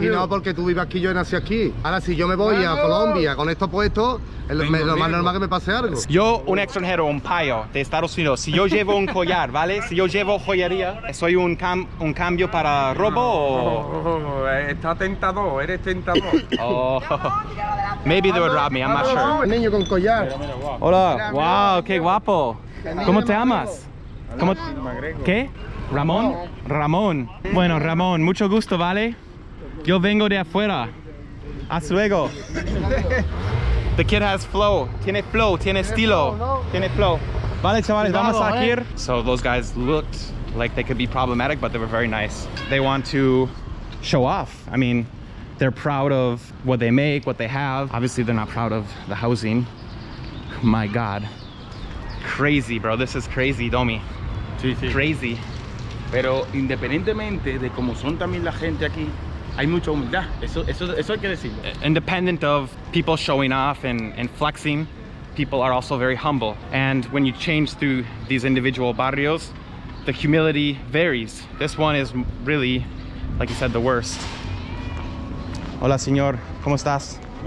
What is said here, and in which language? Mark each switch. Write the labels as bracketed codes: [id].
[es] No, porque tú vives aquí, yo nací aquí. Ahora, si yo me voy a Colombia con esto puesto, lo más normal que me pase algo. Yo, un extranjero, un payo de Estados Unidos, si yo llevo un collar, ¿vale? Si yo llevo joyería, ¿soy un cambio para robo o...? Está tentador, eres tentador. Oh. [en] Maybe they would rob me, I'm not sure. [es] Un niño con collar. Hola. Wow, qué guapo. ¿Cómo te llamas? ¿Cómo? ¿Qué? ¿Ramón? Ramón. Bueno, Ramón, mucho gusto, ¿vale? Yo vengo de afuera. Hasta luego. [en] The kid has flow. [es] Tiene flow, tiene estilo. Tiene flow. Vale, chavales, vamos a ir. [en] So those guys looked like they could be problematic, but they were very nice. They want to show off. I mean, they're proud of what they make, what they have. Obviously, they're not proud of the housing. My God. Crazy, bro. This is crazy, Domi. [es] Sí, sí. [en] Crazy. [es] Pero independientemente de cómo son también la gente aquí, hay mucha humildad. Eso hay que decirlo. [en] Independent of people showing off and flexing, people are also very humble. And when you change through these individual barrios, the humility varies. This one is really, like you said, the worst. [es] Hola, señor. ¿Cómo estás?